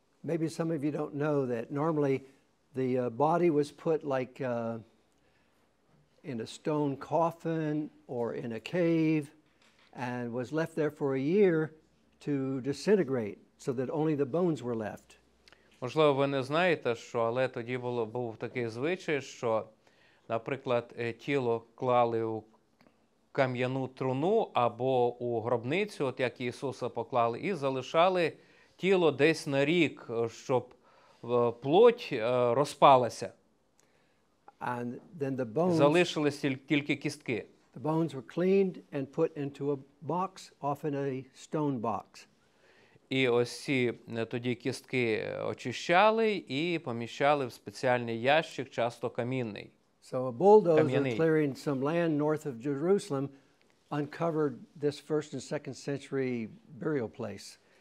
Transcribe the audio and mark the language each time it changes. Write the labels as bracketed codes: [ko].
[en] Maybe some of you don't know that normally the body was put like in a stone coffin or in a cave and was left there for a year to disintegrate so that only the bones were left. [uk] Можливо, ви не знаєте, що але тоді був такий звичай, що, наприклад, тіло клали у кам'яну труну або у гробницю, от як Ісуса поклали, і залишали тіло десь на рік, щоб плоть розпалася. [en] And then the bones, [uk] залишились тільки кістки. [en] The bones were cleaned and put into a box, often a stone box. [uk] І ось ці тоді кістки очищали і поміщали в спеціальний ящик, часто камінний. [en] So a bulldozer clearing some land north of Jerusalem uncovered this first and second century burial place.